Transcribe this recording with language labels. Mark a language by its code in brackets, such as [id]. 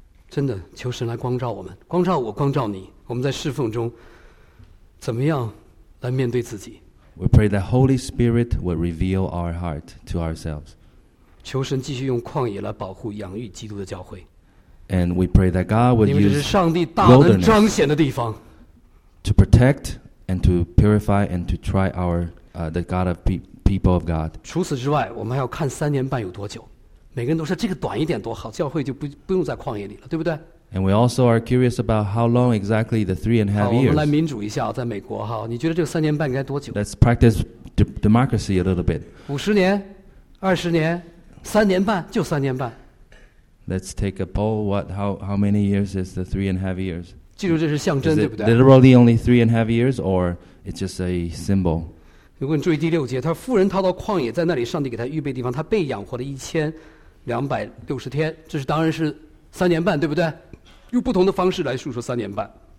[zh] 真的，求神来光照我们，光照我，光照你，我们在侍奉中。怎么样来面对自己？ [en] We pray that Holy Spirit will reveal our heart to ourselves. [zh] 求神继续用旷野来保护养育基督的教会。 [en] And we pray that God would use wilderness to protect and to purify and to try our the God of people of God. [zh] 除此之外，我们还要看3年半有多久。每个人都说这个短一点多好，教会就不用在旷野里了，对不对？ [en] And we also are curious about how long exactly the 3.5 years. [zh] 我们来民主一下，在美国哈，你觉得这个3年半该多久？ [en] Let's practice democracy a little bit. [zh] 50年，20年，3年半，就3年半。 [en] Let's take a poll. How many years is the 3.5 years? [zh] 记住，这是象征，对不对？ [en] Literally only 3.5 years, or it's just a symbol. [zh] 如果你注意第六节，他说妇人逃到旷野，在那里上帝给他预备地方，他被养活了1260天，这是当然是3年半，对不对？用不同的方式来述说3年半。